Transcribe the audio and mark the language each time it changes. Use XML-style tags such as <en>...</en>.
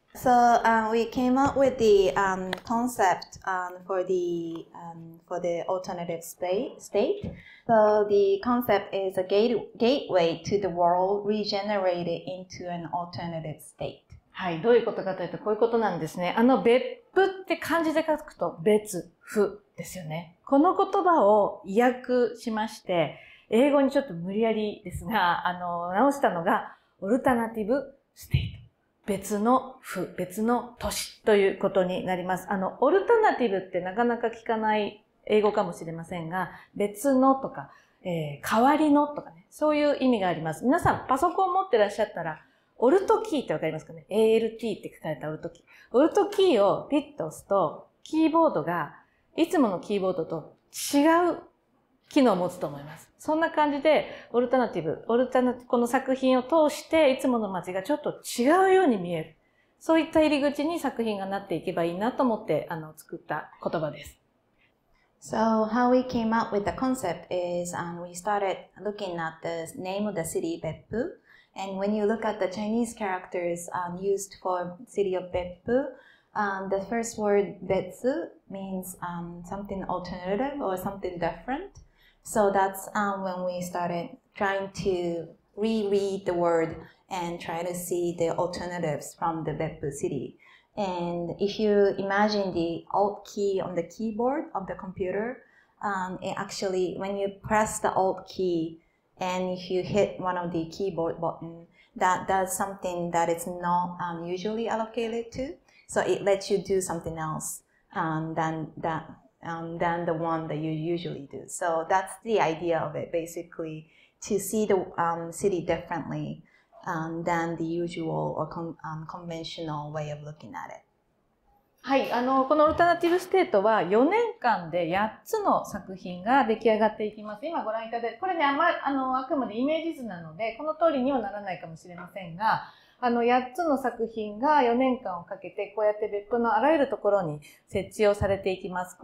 <en>So, we came up with the concept for the alternative state. So, the concept is a gateway to the world regenerated into an alternative state.</en> <ja>はい、どういうことかというと、こういうことなんですね。別府って漢字で書くと、別府ですよね。この言葉を意訳しまして、英語にちょっと無理やりですが、直したのが、オルタナティブステイト。別の府、別の都市ということになります。オルタナティブってなかなか聞かない英語かもしれませんが、別のとか、代わりのとかね、そういう意味があります。皆さん、パソコン持ってらっしゃったら、オルトキーってわかりますかね ?ALT って書かれたオルトキー。オルトキーをピッと押すと、キーボードがいつものキーボードと違う機能を持つと思います。そんな感じで、オルタナティブ、この作品を通して、いつもの街がちょっと違うように見える。そういった入り口に作品がなっていけばいいなと思って、作った言葉です。</ja> <en>So how we came up with the concept is, we started looking at the name of the city, Beppu. And when you look at the Chinese characters used for city of Beppu, the first word, Betsu, means something alternative or something different. So that's when we started trying to reread the word and try to see the alternatives from the Beppu city. And if you imagine the Alt key on the keyboard of the computer, it actually, when you press the Alt key,And if you hit one of the keyboard button, that does something that it's not usually allocated to. So it lets you do something else than that than the one that you usually do. So that's the idea of it, basically, to see the city differently than the usual or conventional way of looking at it.</en> <ja>はい、このオルタナティブステートは4年間で8つの作品が出来上がっていきます。今ご覧いただいて、これね、あくまでイメージ図なので、この通りにはならないかもしれませんが、8つの作品が4年間をかけて、こうやって別府のあらゆるところに設置をされていきます。</ja>